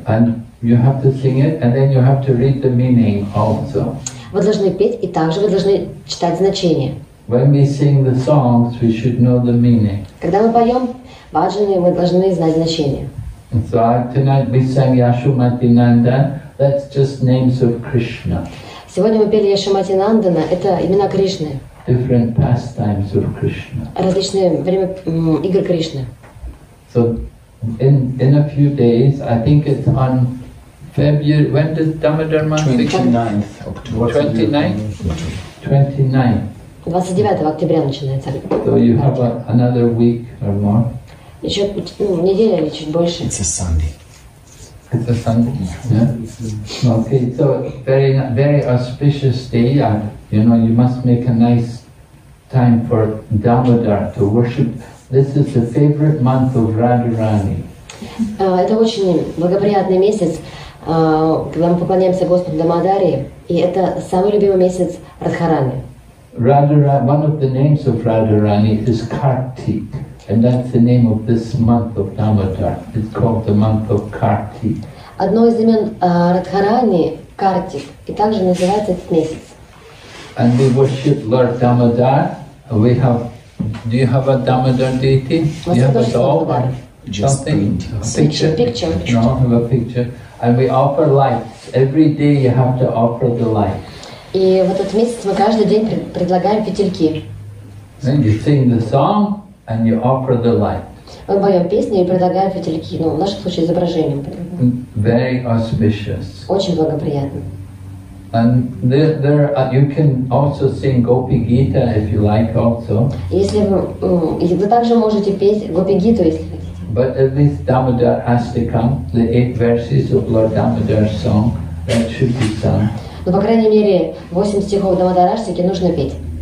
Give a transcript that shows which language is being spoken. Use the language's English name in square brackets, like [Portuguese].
[English] And you have to sing it, and then you have to read the meaning also. [Russian] Вы должны петь, и также вы должны читать значение. [English] When we sing the songs, we should know the meaning. [Russian] Когда мы поем баджаны, мы должны знать значение. [English] So tonight we sang Yashomati Nandan. That's just names of Krishna. [Russian] Сегодня мы пели Яшомати Нандана. Это имена Кришны. [English] Different pastimes of Krishna. [Russian] Различные время игр Кришны. [English] So in a few days, I think it's on February. When does Damodar month begin? 29th October. 29th. [Russian] 29 октября начинается. [English] So you have another week or more? [Russian] Еще неделя или чуть больше. [English] It's a Sunday. It's a Sunday? Yeah. Okay, so very, very auspicious day. You know, you must make a nice time for Damodar to worship. This is the favorite month of Radharani. [Russian] Это очень благоприятный месяц, когда мы поклоняемся Господу Дамодаре. И это самый любимый месяц Радхарани. [English] One of the names of Radharani is Kartik, and that's the name of this month of Damodar. It's called the month of Kartik. [Russian] Одно из имен Радхарани Картик, и также называется этот месяц. [English] And we worship Lord Damodar. We have. Do you have a Damodar deity? Do you have a doll or something? Picture. No, have a picture. And we offer lights every day. You have to offer the lights. [Russian] И в этот месяц мы каждый день предлагаем фитильки. [English] Then you sing the song and you offer the light. [Russian] Мы поем песни и предлагаем фитильки, но в нашем случае изображением. [English] Very auspicious. [Russian] Очень благоприятно. [English] And there you can also sing Gopi Gita if you like also. [Russian] Если вы также можете петь Гопи Гиту, если хотите. [English] But at least Damodar Astikam, the 8 verses of Lord Damodar's song, that should be sung. [Russian] Но, по крайней мере, 8 стихов Дамодараштики нужно петь.